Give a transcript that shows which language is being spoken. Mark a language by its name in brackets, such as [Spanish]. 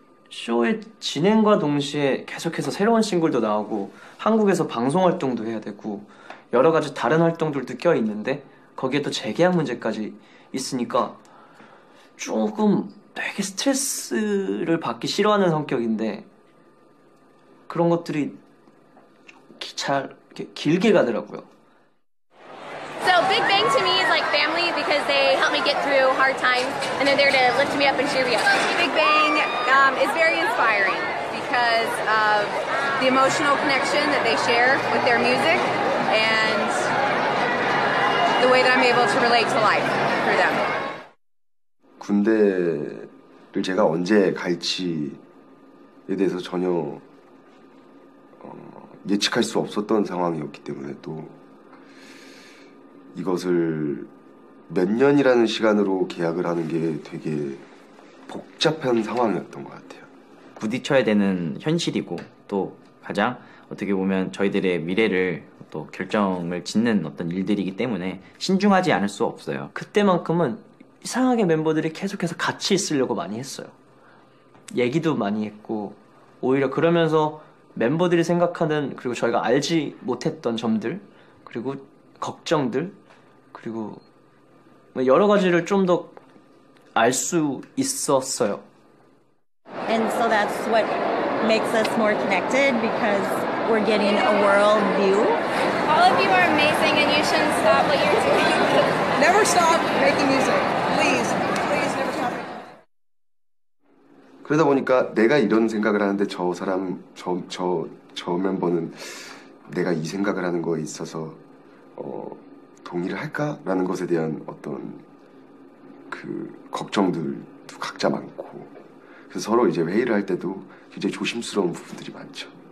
[Korean] 쇼의 진행과 동시에 계속해서 새로운 싱글도 나오고 한국에서 방송 활동도 해야 되고 여러 가지 다른 활동들도 껴있는데 거기에 또 재계약 문제까지 있으니까 조금 되게 스트레스를 받기 싫어하는 성격인데 그런 것들이 잘 길게 가더라고요. [English] So Big Bang to me is like family because they help me get through hard times and they're there to lift me up and cheer me up. Big Bang is very inspiring because of the emotional connection that they share with their music and the way that I'm able to relate to life through them. [Korean] 군대를 제가 언제 갈지에 대해서 전혀 예측할 수 없었던 상황이었기 때문에 또 이것을 몇 년이라는 시간으로 계약을 하는 게 되게 복잡한 상황이었던 것 같아요. 부딪혀야 되는 현실이고 또 가장 어떻게 보면 저희들의 미래를 또 결정을 짓는 어떤 일들이기 때문에 신중하지 않을 수 없어요. 그때만큼은 이상하게 멤버들이 계속해서 같이 있으려고 많이 했어요. 얘기도 많이 했고 오히려 그러면서 멤버들이 생각하는 그리고 저희가 알지 못했던 점들 그리고 걱정들 그리고 여러 가지를 좀 더 알 수 있었어요. [English] And so that's what makes us more connected because we're getting a world view. All of you are amazing and you shouldn't stop what you're doing. Never stop making music. Please, please never stop making. [Korean] 그러다 보니까 내가 이런 생각을 하는데 저 사람 저 멤버는 내가 이 생각을 하는 거에 있어서 동의를 할까라는 것에 대한 어떤 그 걱정들도 각자 많고 그래서 서로 이제 회의를 할 때도 굉장히 조심스러운 부분들이 많죠.